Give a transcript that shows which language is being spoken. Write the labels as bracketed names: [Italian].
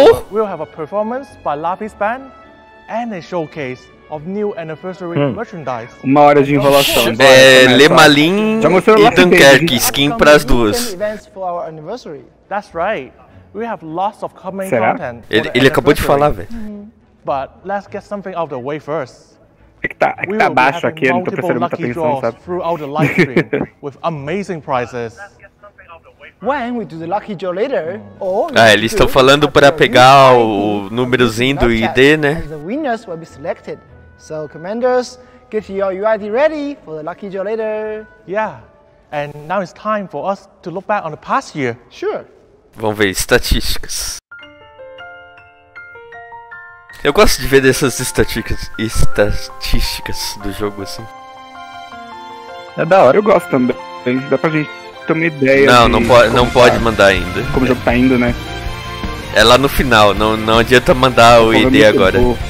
[English] We'll have a performance by Lapis Band and a showcase of new anniversary merchandise. [Portuguese] Uma hora de enrolação. É, Len Marlin e Dunkirk, skin para as duas. [English] For our anniversary. That's right. We have lots of coming content. [Portuguese] Ele acabou de falar, velho. [English] But let's get something out of the way first. [Portuguese] É que tá baixo aqui, eu não tô prestando muita atenção, sabe? [English] Throughout the live stream with amazing prizes. When we do the lucky draw later, or [Portuguese] ah, eles estão falando para pegar o númerozinho do ID, né? [English] The winners will be selected. So, commanders, get your UID ready for the lucky draw later. Yeah. And now it's time for us to look back on the past year. Sure. [Portuguese] Vamos ver estatísticas. Eu gosto de ver dessas estatísticas do jogo assim. É da hora. Eu gosto também. Dá pra gente ter uma ideia. Não, não pode mandar ainda. Como o jogo tá indo, né? É lá no final, não adianta mandar o ID agora.